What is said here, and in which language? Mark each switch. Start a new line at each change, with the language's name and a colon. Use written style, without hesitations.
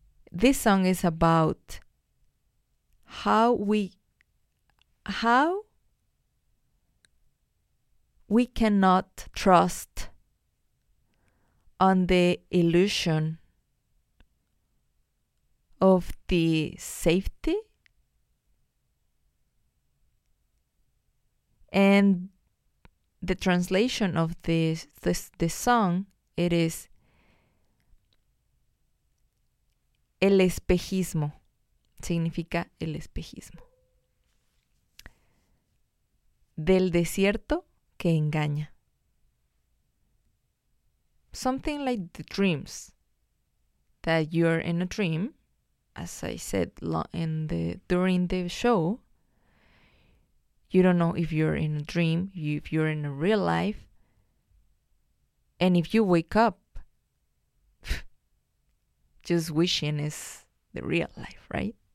English: This song is about how we cannot trust on the illusion of the safety and the translation of this song. It is
Spanish: el espejismo, significa el espejismo del desierto que engaña.
English: Something like the dreams, that you're in a dream, as I said during the show, you don't know if you're in a dream, if you're in a real life, and if you wake up, just wishing is the real life, right?